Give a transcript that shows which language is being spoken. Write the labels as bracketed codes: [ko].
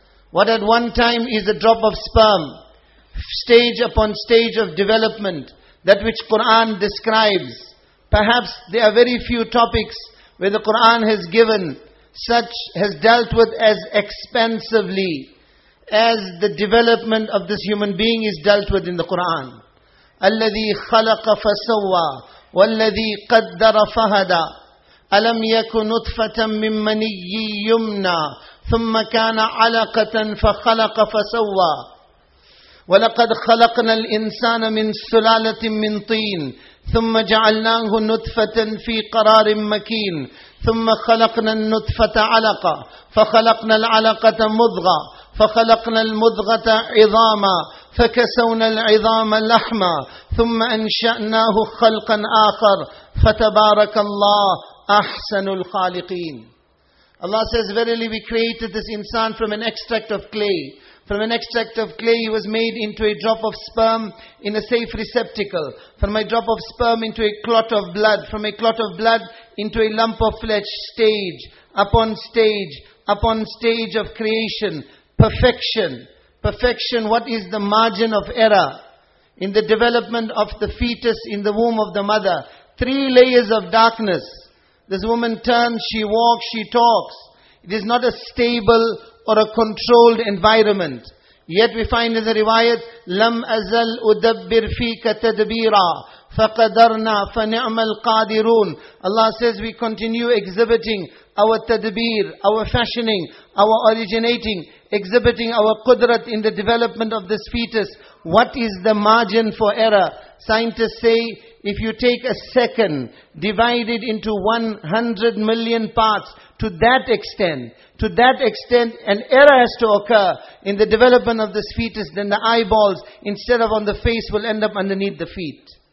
[en] What at one time is a drop of sperm, stage upon stage of development, that which Quran describes. Perhaps there are very few topics where the Quran has given such, has dealt with as expansively as the development of this human being is dealt with in the Quran. [ar] الَّذِي خَلَقَ فَسَوَّى وَالَّذِي قَدَّرَ فَهَدَى أَلَمْ يَكُ نُطْفَةً مِّن مَنِيِّ يُمْنَى ثُمَّ كَانَ عَلَقَةً فَخَلَقَ فَسَوَّى وَلَقَدْ خَلَقْنَا الْإِنسَانَ مِنْ سُلَالَةٍ مِّن طِينَ ثم جعلناه نطفة في قرار مكين ثم خلقنا النطفة علقة فخلقنا العلقة مضغة فخلقنا المضغة عظاما فكسونا العظام لحما ثم أنشأناه خلقا آخر فتبارك الله أحسن الخالقين. [en] Allah says, verily we created this insan from an extract of clay. From an extract of clay, he was made into a drop of sperm in a safe receptacle. From a drop of sperm into a clot of blood. From a clot of blood into a lump of flesh. Stage upon stage upon stage of creation. Perfection. Perfection, what is the margin of error in the development of the fetus in the womb of the mother? Three layers of darkness. This woman turns, she walks, she talks. It is not a stable or a controlled environment. Yet we find in the riwayat, [ar] لَمْ أَزَلْ أُدَبِّرْ فِيكَ تَدْبِيرًا فَقَدَرْنَا فَنِعْمَ الْقَادِرُونَ. [en] Allah says, we continue exhibiting our tadbir, our fashioning, our originating, exhibiting our qudrat in the development of this fetus. What is the margin for error? Scientists say, if you take a second, divide it into 100 million parts, to that extent, an error has to occur in the development of this fetus, then the eyeballs, instead of on the face, will end up underneath the feet.